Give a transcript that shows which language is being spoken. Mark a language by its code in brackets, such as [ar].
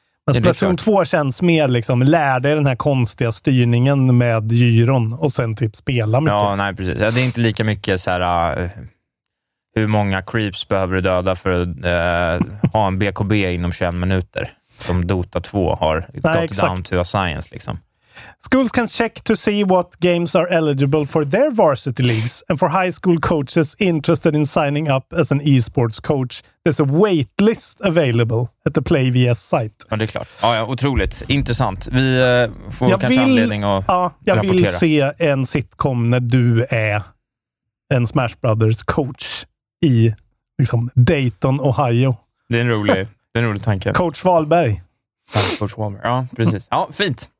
[sv] Men ja, Splatoon 2 känns mer liksom, lär dig den här konstiga styrningen med gyron och sen typ spela mycket. Ja, nej, precis. Ja, det är inte lika mycket så här... Hur många creeps behöver du döda för att ha en BKB inom 21 minuter? Som Dota 2 har. Nej, got exakt. [en] Down to a science, [sv] liksom. [en] Schools can check to see what games are eligible for their varsity leagues and for high school coaches interested in signing up as an e-sports coach. There's a wait list available at the PlayVS site. [sv] Ja, det är klart. Ja, otroligt. Intressant. Vi får jag kanske vill, anledning att rapportera. Jag vill se en sitcom när du är en Smash Brothers coach. I liksom Dayton, Ohio. Det är en rolig, det är en rolig tanke. Coach Wahlberg. Ja, Coach Wahlberg. Ja, precis. Ja, fint.